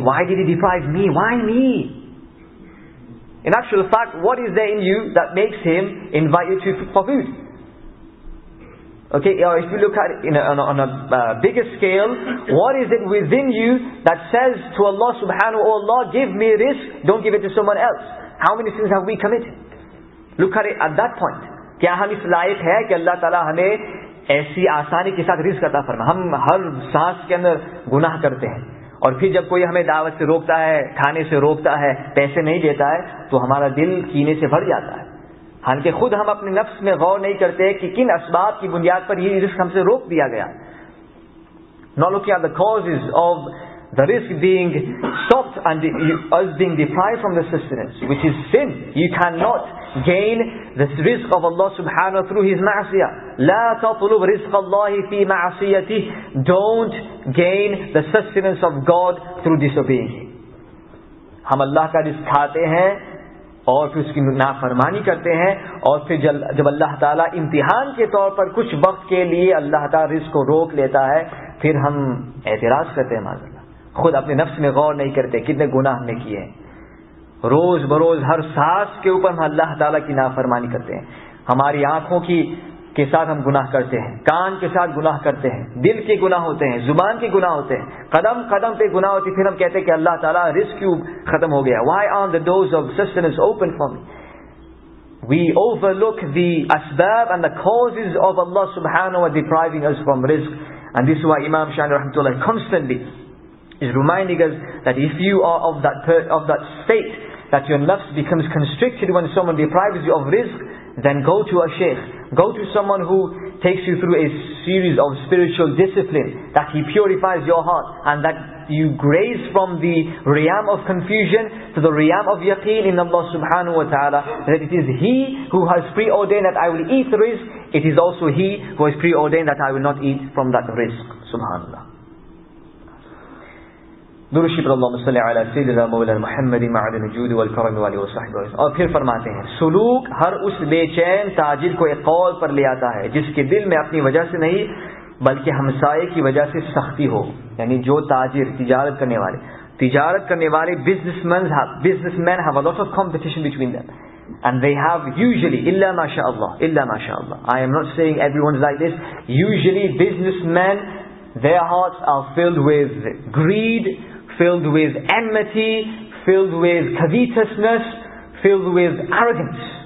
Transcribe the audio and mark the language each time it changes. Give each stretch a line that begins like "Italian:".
English: Why did he deprive me? Why me? In actual fact, what is there in you that makes him invite you for food? Okay, or if you look at it bigger scale, what is it within you that says to Allah subhanahu wa ta'ala, give me this, don't give it to someone else? How many sins have we committed? Look at it at that point.
Urdu: کیا ہم اس لائق ہے کہ اللہ تعالیٰ ہمیں ایسی آسانی کے ساتھ رزق عطا فرمائے؟ ہم ہر سانس کے اندر گناہ کرتے ہیں, اور پھر جب کوئی ہمیں دعوت سے روکتا ہے, کھانے سے روکتا ہے, پیسے نہیں دیتا ہے, تو ہمارا دل کینے سے بھر جاتا ہے. حالانکہ خود ہم اپنے نفس میں غور نہیں کرتے کہ کن اسباب کی بنیاد پر یہ رزق ہم سے روک دیا گیا.
English: Not looking at the causes of the risk being stopped and us being deprived from the sustenance, which is sin. You cannot gain the risk of Allah subhanahu wa ta'ala through his ma'asiyah.
Arabic: La tatlub rizq Allahi fi ma'asiyati.
English: Don't gain the sustenance of God through disobeying him.
Urdu: ہم اللہ کا رزق کھاتے ہیں اور پھر اس کی نافرمانی کرتے ہیں, اور پھر جب اللہ تعالیٰ امتحان کے طور پر کچھ وقت کے لیے اللہ تعالیٰ رزق کو روک لیتا ہے, پھر ہم اعتراض کرتے ہیں, معاذ اللہ, خود اپنے نفس میں غور نہیں کرتے کتنے گناہ ہم نے کیے ہیں. روز بروز ہر سانس کے اوپر ہم اللہ تعالیٰ کی نافرمانی کرتے ہیں. ہماری آنکھوں کے ساتھ ہم گناہ کرتے ہیں, کان کے ساتھ گناہ کرتے ہیں, دل کے گناہ ہوتے ہیں, زبان کے گناہ ہوتے ہیں, قدم قدم پہ گناہ ہوتی, پھر ہم کہتے ہیں کہ اللہ تعالیٰ رزق کیوں ختم ہو گیا.
English: Why aren't the doors of sustenance open for me? We overlook the asbab and the causes of Allah subhanahu wa depriving us from rizq. And this is why Imam Shani rahmatullah constantly is reminding us that if you are of that state that your nafs becomes constricted when someone deprives you of rizq, then go to a sheikh, go to someone who takes you through a series of spiritual discipline, that he purifies your heart and that you graze from the realm of confusion to the realm of yaqeen in Allah subhanahu wa ta'ala, that it is he who has preordained that I will eat rizq, it is also he who has preordained that I will not eat from that rizq. Subhanallah.
Urdu: درود شریف
Arabic: اللہ صلی علی سیدنا مولا محمد معد الجود والکرم والی وصحبہ.
Urdu: اور پھر فرماتے ہیں, سلوک ہر اس بے چین تاجر کو ایک قول پر لے آتا ہے جس کے دل میں اپنی وجہ سے نہیں بلکہ ہمسائے کی وجہ سے سختی ہو. یعنی جو تاجر تجارت کرنے والے, Tijarat karne wale
English: businessmen have a lot of competition between them. And they have usually, illa mashaAllah. I am not saying everyone's like this. Usually businessmen, their hearts are filled with greed, filled with enmity, filled with covetousness, filled with arrogance.